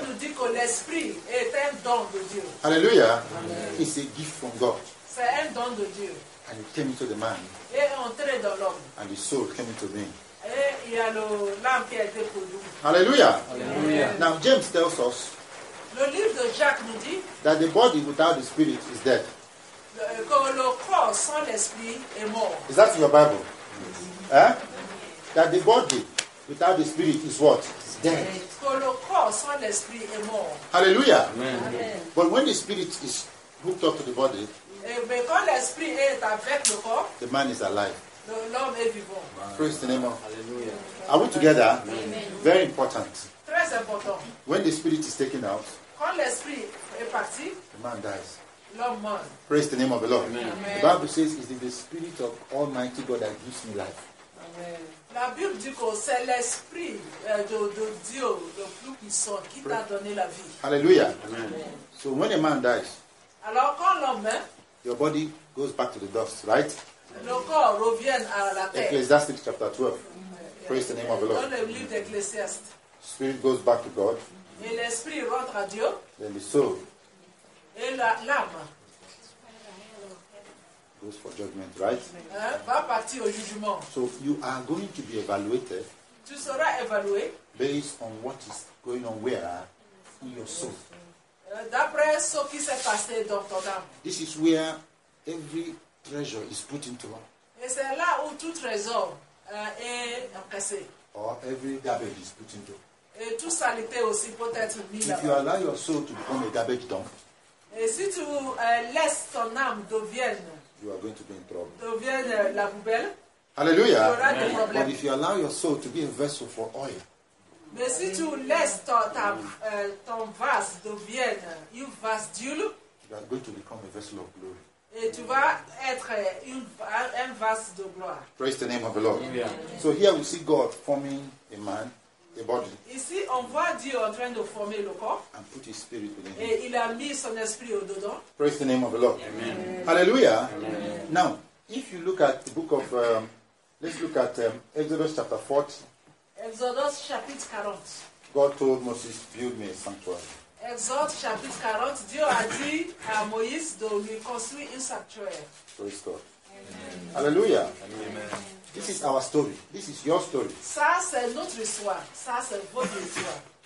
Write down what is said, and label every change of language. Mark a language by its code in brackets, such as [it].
[fr] Nous dit que l'esprit est un don de Dieu. [en] Hallelujah. Amen. It's a gift from God. [fr] C'est un don de Dieu. [en] And it came into the man. [fr] Et entré dans l'homme. [en] And the soul came into being. [fr] Et il y a l'âme qui a été produite. [en] Hallelujah. Hallelujah. Now James tells us. [fr] Le livre de Jacques nous dit [en] that the body without the spirit is dead. [fr] Que le corps sans l'esprit est mort. [en] Is that your Bible? Mm-hmm. Eh? That the body without the spirit is what? It's dead. [fr] Que le corps sans l'esprit est mort. [en] Hallelujah. Amen. Amen. But when the spirit is hooked up to the body, [fr] mais quand l'esprit est avec le corps, [en] the man is alive. [fr] L'homme est vivant. [en] Wow. Praise the name of. Hallelujah. Are we together? Amen. Very important. [fr] Très important. [en] When the spirit is taken out, [fr] quand l'esprit est parti, [en] the man dies. [fr] L'homme meurt. [en] Praise the name of the Lord. Amen. The Bible says it is the spirit of Almighty God that gives me life. Amen. [fr] La Bible dit que c'est l'esprit de Dieu, le plus puissant, qui t'a donné la vie. [en] Hallelujah. Amen. So when a man dies, [fr] alors quand l'homme meurt, [en] your body goes back to the dust, right? [fr] Le corps revient à la terre. [en] Ecclesiastes chapter 12. Mm-hmm. Praise the name of the Lord. [fr] Dans le livre d'Ecclesiastes. [en] Spirit goes back to God. [fr] Et l'esprit rentre à Dieu. [en] Then the soul. [fr] Et l'âme. [en] Goes for judgment, right? [fr] Va partir au jugement. [en] So you are going to be evaluated. [fr] Tu seras évalué. [en] Based on what is going on where in your soul. [fr] D'après ce qui s'est passé dans ton âme. [en] This is where every treasure is put into. [fr] Et c'est là où tout trésor est cassé. [en] Or every garbage is put into. [fr] Et toute saleté aussi peut être mise. [en] If you allow your soul to become a garbage dump. [fr] Et si tu laisses ton âme devienne. [en] You are going to be in trouble. [fr] Devienne la poubelle. [en] Hallelujah. [fr] Tu auras des problèmes. [en] But if you allow your soul to be a vessel for oil. [fr] Mais si tu laisses ton vase devienne un vase d'huile. [en] You are going to become a vessel of glory. [fr] Et tu vas être un vase de gloire. [en] Praise the name of the Lord. Yeah. So here we see God forming a man, a body. [fr] Ici, on voit Dieu en train de former le corps. [en] And put his spirit within him. [fr] Et il a mis son esprit au-dedans. [en] Praise the name of the Lord. Amen. Hallelujah. Amen. Now, if you look at the book of, let's look at Exodus chapter 40. [fr] Exodus chapitre 40. [en] God told Moses, build me a sanctuary. [fr] Exode chapitre 40, Dieu a dit à Moïse de lui construire un sanctuaire. [en] Praise God. Amen. [fr] Alléluia. [en] Amen. This is our story. This is your story. [fr] Ça, c'est notre histoire. Ça, c'est votre histoire.